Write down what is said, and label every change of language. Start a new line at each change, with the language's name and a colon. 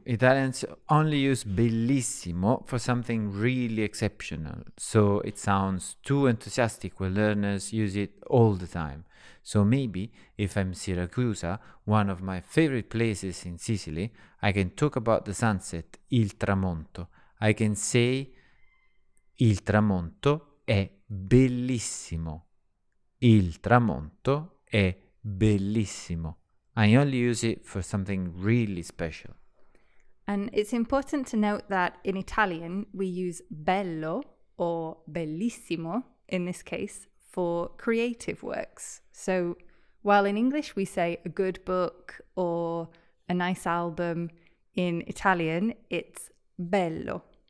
English: Italians only use bellissimo for something really exceptional. So it sounds too enthusiastic when learners use it all the time. So maybe if I'm Siracusa, one of my favorite places in Sicily, I can talk about the sunset, il tramonto. I can say
Italian: il tramonto è bellissimo. Il tramonto è bellissimo.
English: I only use it for something really special. And it's important to note that in Italian, we use bello or bellissimo, in this case, for creative works. So while in English we say a good book or a nice album, in Italian, it's bello.